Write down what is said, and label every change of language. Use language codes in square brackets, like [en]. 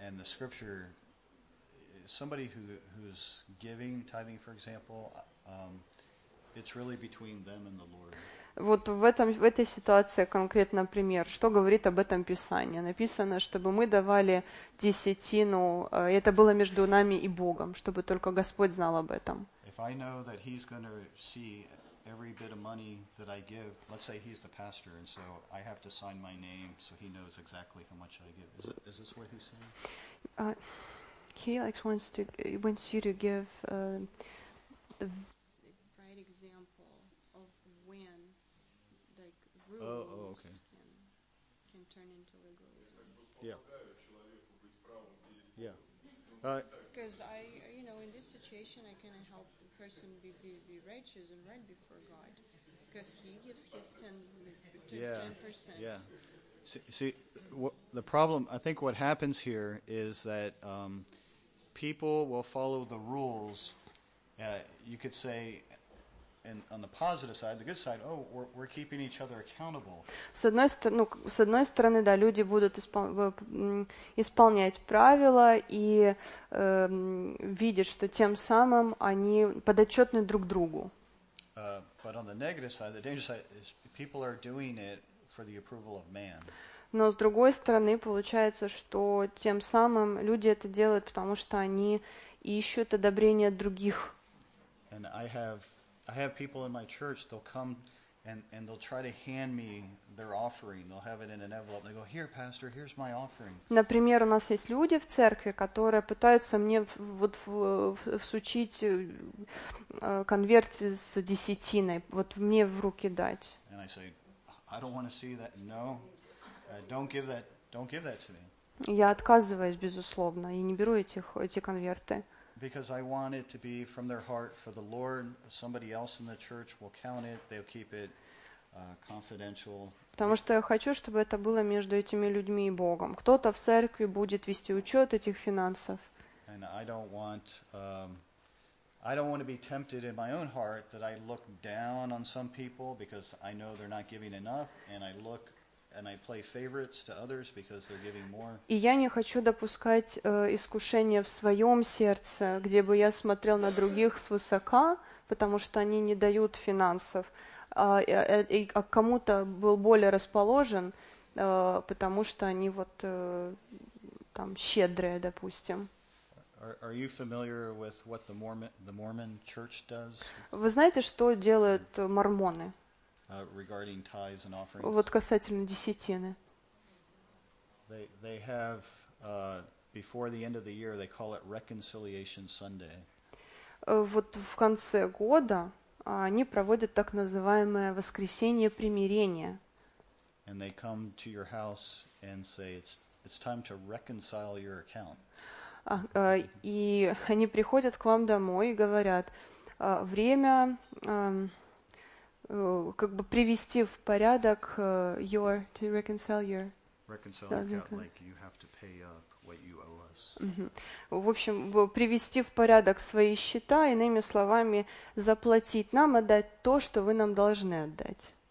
[en] And the Scripture, somebody who's giving, tithing, for example, it's really between them and the Lord. [ru] Вот в этой ситуации конкретно пример. Что говорит об этом Писание? Написано, чтобы мы давали десятину, это было между нами и Богом, чтобы только Господь знал об этом. [en] If I know that he's going to see every bit of money that I give, let's say he's the pastor, and so I have to sign my name so he knows exactly how much I give. Is this what he's saying? He likes wants to wants you to give the right example of when, like, rules can turn into legalism. Because I, you know, in this situation, I can help the person be righteous and right before God, because he gives his 10%. Yeah. See, the problem, I think what happens here is that people will follow the rules. You could say, and on the positive side, the good side, oh, we're keeping each other accountable. [ru] С одной стороны, да, люди будут исполнять правила и видят, что тем самым они подотчетны друг другу. [en] But on the negative side, the dangerous side is people are doing it for the approval of man. [ru] Но, с другой стороны, получается, что тем самым люди это делают, потому что они ищут одобрение других. [en] And I have people in my church, they'll come and they'll try to hand me their offering. They'll have it in an envelope. They go, here, pastor, here's my offering. [ru] Например, у нас есть люди в церкви, которые пытаются мне вот всучить конверт с десятиной, вот мне в руки дать. [en] And I say, I don't want to see that, no. Don't give that to me. [ru] Я отказываюсь, безусловно, и не беру эти конверты. [en] Because I want it to be from their heart for the Lord. Somebody else in the church will count it. They'll keep it confidential. [ru] Потому что я хочу, чтобы это было между этими людьми и Богом. Кто-то в церкви будет вести учет этих финансов. [en] And I don't want to be tempted in my own heart that I look down on some people because I know they're not giving enough, and I look and I play favorites to others because they're giving more. [ru] И я не хочу допускать искушения в своем сердце, где бы я смотрел на других свысока, потому что они не дают финансов, а кому-то был более расположен, потому что они вот там щедрые, допустим. [en] Are you familiar with what the Mormon church does? [ru] Вы знаете, что делают мормоны? [en] Regarding tithes and offerings. [ru] Вот касательно десятины. [en] They have before the end of the year they call it Reconciliation Sunday. [ru] Вот в конце года они проводят так называемое воскресенье примирения. [en] And they come to your house and say it's time to reconcile your account. [ru] И они приходят к вам домой и говорят: время как бы привести в порядок в общем, привести в порядок свои счета, иными словами, заплатить нам, отдать то, что вы нам должны отдать.